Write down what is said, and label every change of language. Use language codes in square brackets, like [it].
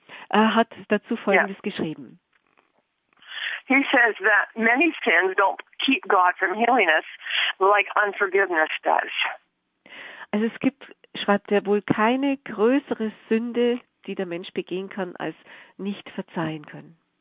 [de] Hat dazu Folgendes geschrieben. [en] He says that many sins don't keep God from healing us like unforgiveness does. [de] Also es gibt, schreibt er, wohl keine größere Sünde, die der Mensch begehen kann, als nicht verzeihen können.